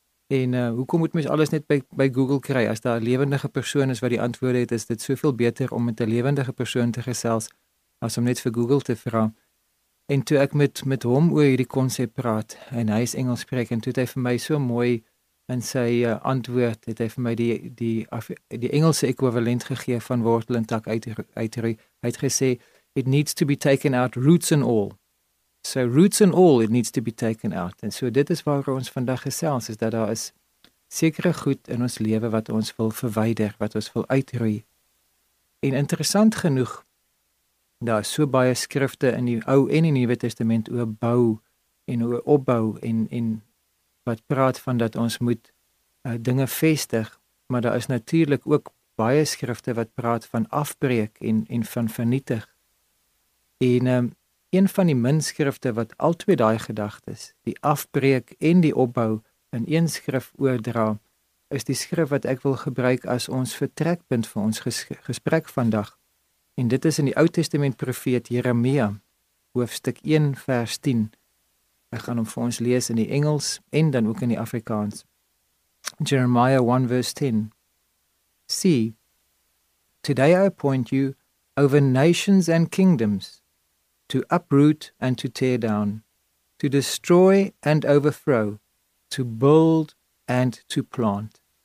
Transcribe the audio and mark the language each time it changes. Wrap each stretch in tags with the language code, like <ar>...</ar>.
<af>En hoekom moet mens alles net by Google kry? As daar 'n lewendige persoon is wat die antwoorde het, is dit soveel beter om met 'n lewendige persoon te gesels as om net vir Google te vra. En toe ek met hom oor hierdie konsep praat, en hy is Engels spreek, en toe het hy vir my so mooi in sy antwoord, het hy vir my die Engelse ekwivalent gegee van wortel en tak uitroei. Hy het gesê,</af> <en>it needs to be taken out, roots and all. So roots and all, it needs to be taken out.</en> <af>En so dit is waar ons vandag gesels, is dat daar is sekere goed in ons lewe wat ons wil verwyder, wat ons wil uitroei. En interessant genoeg, daar is so baie skrifte in die Ou en die Nuwe Testament oor bou en oor opbou en wat praat van dat ons moet dinge vestig, maar daar is natuurlik ook baie skrifte wat praat van afbreek en van vernietig. En een van die min skrifte wat altyd daai gedagtes, die afbreek en die opbou in een skrif oordra, is die skrif wat ek wil gebruik as ons vertrekpunt vir ons gesprek vandag. En dit is in die Ou Testament profeet Jeremia, hoofstuk 1 vers 10. Ek gaan hom vir ons lees in die Engels en dan ook in die Afrikaans.</af> <en>Jeremiah 1 verse 10. See, today I appoint you over nations and kingdoms, to uproot and to tear down, to destroy and overthrow, to build and to plant.</en>